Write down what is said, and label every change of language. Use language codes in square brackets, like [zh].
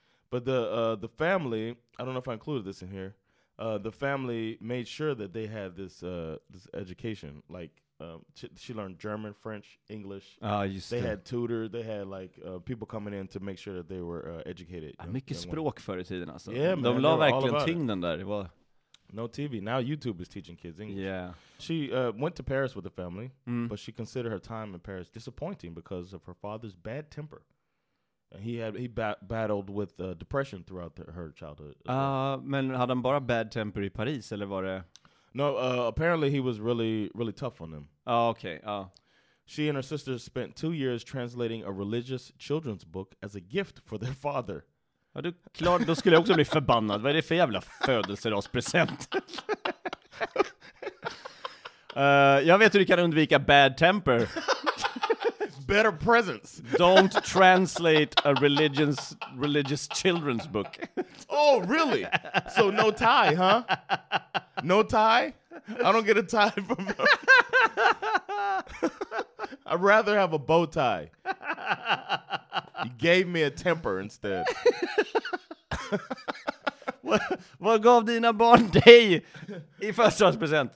[en] But the family, I don't know if I included this in here. The family made sure that they had this education. Like, she learned German, French, English. They had tutors. They had, like, people coming in to make sure that they were educated. [sv] Mycket språk förr i tiden, alltså. [en] Yeah, man. [sv] De la verkligen tyngden där. [en] Well. No TV. Now YouTube is teaching kids English. Yeah. She went to Paris with the family, but she considered her time in Paris disappointing because of her father's bad temper. He battled with depression throughout her childhood. [sv] Men hade han bara bad temper i Paris eller var det? [en] No, apparently he was really, really tough on them. Oh, okay. Oh. She and her sister spent 2 years translating a religious children's book as a gift for their father. [sv] Ja, du, klart, då skulle jag också bli förbannad. Vad är det för jävla födelsedagspresent? jag vet hur du kan undvika bad temper. [en] Better presents. Don't translate a religious children's book. Oh, really? So no tie, huh? No tie? I don't get a tie from her. I'd rather have a bow tie. You gave me a temper instead. [sv] Vad gav dina barn dig i födelsedagspresent?